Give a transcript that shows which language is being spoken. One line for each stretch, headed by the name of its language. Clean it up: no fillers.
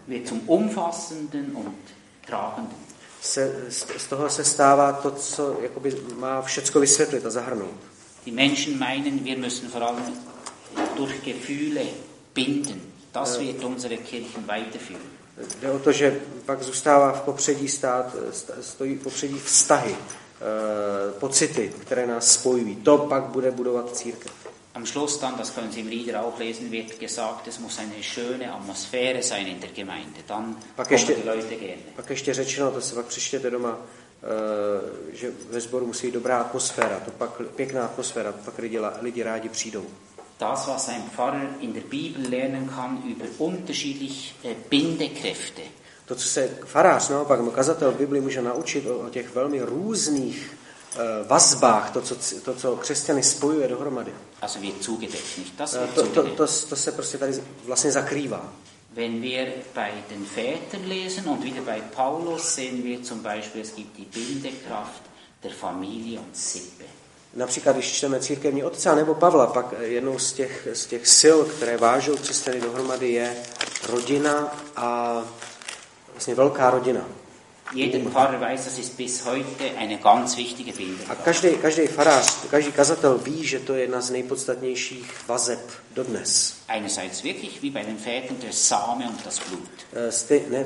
German: Wird zum umfassenden und tragenden.
Czech: Z toho se stává to, co jakoby má všecko vysvětlit a zahrnout.
German: Die Menschen meinen, wir müssen vor allem durch Gefühle binden. Das wird unsere Kirchen weiterführen.
Czech: Jde o to, že pak zůstává v popředí stojí v popředí vztahy, pocity, které nás spojují. To pak bude budovat církev.
German: Am Schluss dann, das können Sie im Lieder auch lesen, wird gesagt, es muss eine schöne Atmosphäre sein in der Gemeinde. Dann
Czech: pak ještě,
German: kommen die Leute gerne.
Czech: Pak ještě řečeno, to se pak přečtěte doma, že ve sboru musí dobrá atmosféra, to pak pěkná atmosféra, to pak lidi rádi přijdou.
German: Das, was ein Pfarrer in der Bibel lernen kann über unterschiedliche Bindekräfte.
Czech: To, co se farář, naopak, kazatel v Biblii může naučit o těch velmi různých vazbách, to, co křesťany spojuje dohromady.
German: Also wir zugedeckt, nicht? Das
Czech: to se prostě tady vlastně zakrývá.
German: Wenn wir bei den Vätern lesen und wieder bei Paulus, sehen wir zum Beispiel, es gibt die Bindekraft der Familie und Sippe.
Czech: Například, když čteme církevní otce nebo Pavla, pak jednou z těch sil, které vážou křesťany dohromady, je rodina a vlastně velká rodina.
German: Jeden Pfarrer weiß, das ist bis heute eine ganz wichtige Bindung.
Czech: A každý farář, každý kazatel ví, že to je jedna z nejpodstatnějších vazeb dodnes.
German: Einerseits wirklich wie bei den Vätern der Same und das Blut.